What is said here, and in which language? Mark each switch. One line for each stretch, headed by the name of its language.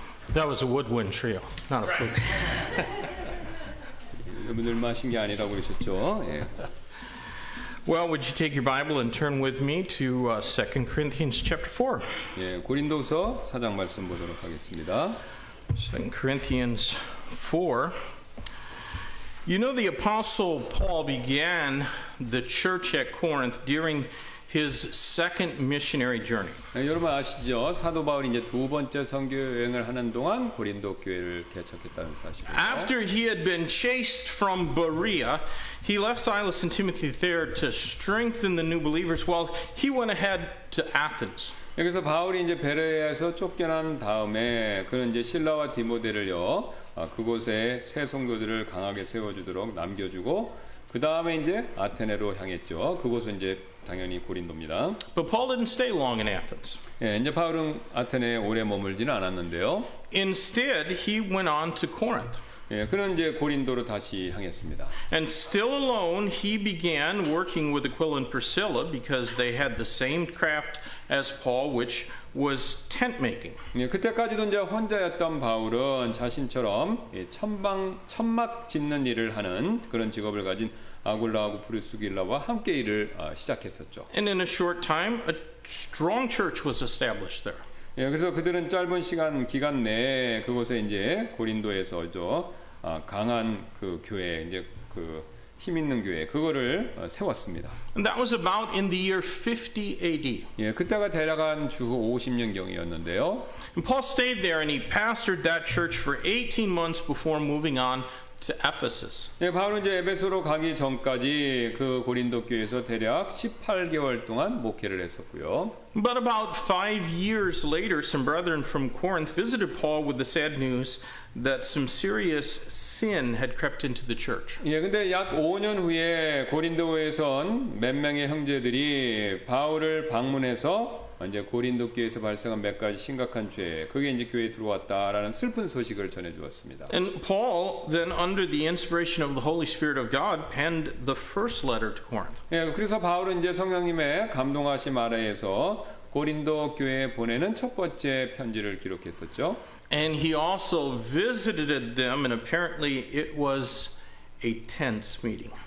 English: That was a woodwind trio, not a flute.
Korean: 여러분들만 신 게 아니라고 그러셨죠.
English: Well, would you take your Bible and turn with me to 2 Corinthians chapter 4?
Korean: 예, 고린도서 4장 말씀 보도록 하겠습니다.
English: 2 Corinthians 4. You know, the Apostle Paul began the church at Corinth during his second missionary journey.
Korean: 예, 여러분 아시죠? 사도 바울이 이제 두 번째 선교 여행을 하는 동안 고린도 교회를 개척했다는 사실.
English: After he had been chased from Berea, he left Silas and Timothy there to strengthen the new believers while he went ahead to Athens.
Korean: 여기서 바울이 이제 베레아에서 쫓겨난 다음에 그는 이제 실라와 디모데를요. 그곳에 새 성도들을 강하게 세워 주도록 남겨 주고 그다음에 이제 아테네로 향했죠. 그곳은 이제 당연히 고린도입니다.
English: But Paul didn't stay long in Athens.
Korean: 예, 이제 바울은 아테네에 오래 머물지는 않았는데요.
English: Instead, he went on to Corinth.
Korean: 예, 그는 이제 고린도로 다시 향했습니다.
English: And still alone, he began working with Aquila and Priscilla because they had the same craft as Paul, which was tent making.
Korean: 예, 그때까지도 이제 혼자였던 바울은 자신처럼 예, 천막 짓는 일을 하는 그런 직업을 가진 아굴라하고 브리스길라와 함께 일을 시작했었죠.
English: And in a short time, a strong church was established there.
Korean: 예, 그래서 그들은 짧은 시간 기간 내에 그곳에 이제 고린도에서 저 강한 그 교회 이제 그 힘 있는 교회 그거를 세웠습니다.
English: And that was about in the year 50 AD.
Korean: 예, 그때가 대략 한 주후 50년경이었는데요.
English: And Paul stayed there and he pastored that church for 18 months before moving on to Ephesus.
Korean: 예, 바울은 이제 에베소로 가기 전까지 그 고린도 교회에서 대략 18개월 동안 목회를 했었고요.
English: But about 5 years later, some brethren from Corinth visited Paul with the sad news that some serious sin had crept into the church.
Korean: 예, 근데 약 5년 후에 고린도에선 몇 명의 형제들이 바울을 방문해서 이제 고린도 교회에서 발생한 몇 가지 심각한 죄, 그게 이제 교회에 들어왔다라는 슬픈 소식을 전해주었습니다.
English: And Paul, then under the inspiration of the Holy Spirit of God, penned the first letter to Corinth.
Korean: 예, 그래서 바울은 이제 성령님의 감동하심 아래에서 고린도 교회에 보내는 첫 번째 편지를 기록했었죠.
English: And he also visited them, and apparently it was a tense meeting.